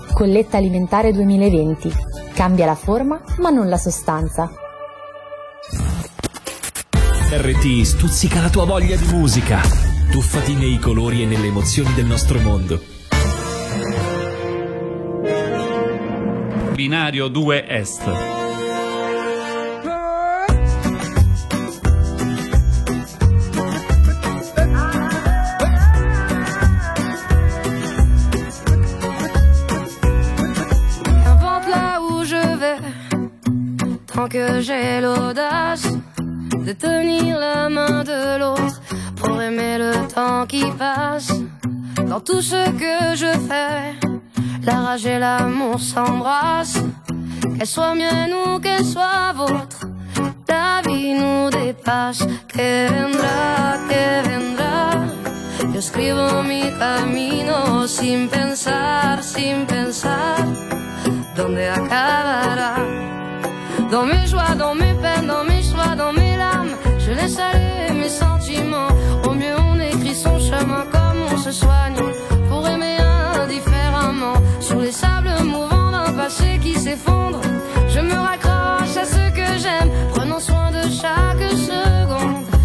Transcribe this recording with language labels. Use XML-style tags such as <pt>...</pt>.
<it>Colletta Alimentare 2020. Cambia la forma, ma non la sostanza. RT stuzzica la tua voglia di musica. Tuffati nei colori e nelle emozioni del nostro mondo. Binario 2 Est.</it> <fr>N'importe là où je vais, tant que j'ai l'audace de tenir la main de l'autre pour aimer le temps qui passe. Dans tout ce que je fais, la rage et l'amour s'embrassent. Qu'elle soit mienne ou qu'elle soit vôtre, ta vie nous dépasse.</fr> <es>Que vendra, que vendra. Yo escribo mi camino sin pensar, sin pensar dónde acabará.</es> <fr>Dans mes joies, dans mes peines, dans mes choix, dans mes larmes, je laisse aller mes sentiments. Au mieux on écrit son chemin comme on se soigne pour aimer indifféremment. Sous les sables mouvants d'un passé qui s'effondre, je me raccroche à ce que j'aime, prenant soin de chaque seconde.</fr>